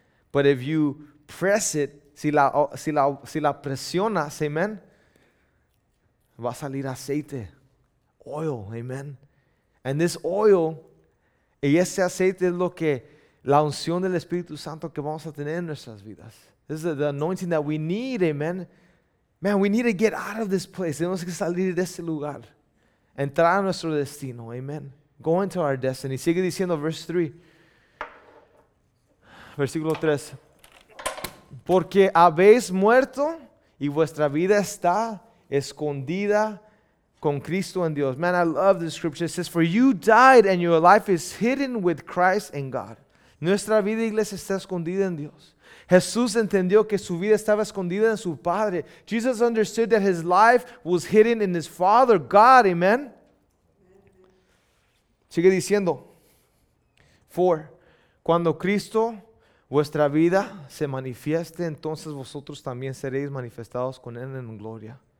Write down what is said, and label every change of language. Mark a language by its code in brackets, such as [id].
[en] But if you press it, [es] si la presionas, [en] amen, [es] va a salir aceite, [en] oil, amen. And this oil... [es] Y ese aceite es lo que la unción del Espíritu Santo que vamos a tener en nuestras vidas. [en] This is the anointing that we need, amen. Man, we need to get out of this place. [es] Tenemos que salir de este lugar. Entrar a nuestro destino, amen. [en] Go into our destiny. [es] Sigue diciendo verse 3. Versículo 3. Porque habéis muerto y vuestra vida está escondida con Cristo en Dios. [en] Man, I love this scripture. It says, for you died and your life is hidden with Christ in God. [es] Nuestra vida, iglesia, está escondida en Dios. Jesús entendió que su vida estaba escondida en su Padre. [en] Jesus understood that his life was hidden in his Father, God. Amen. [es] Sigue diciendo. 4. Cuando Cristo, vuestra vida, se manifieste, entonces vosotros también seréis manifestados con Él en gloria.